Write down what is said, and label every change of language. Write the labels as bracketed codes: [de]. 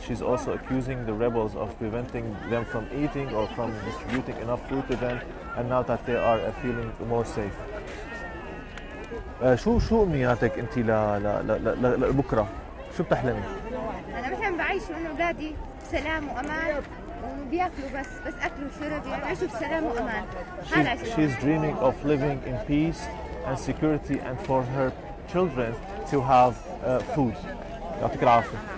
[en] She's also accusing the rebels of preventing them from eating or from distributing enough food to them, and now that they are feeling more safe. [ar] شو أمنياتك أنت ل ل ل ل لبكرة؟ شو بتحلمي؟ أنا بحلم بعيش مع أولادي سلام وأمان وبياكلوا بس أكلوا وشربوا يعيشوا بسلام وأمان. [en] She's dreaming of living in peace and security and for her children to have food. [ar] يعطيك العافية.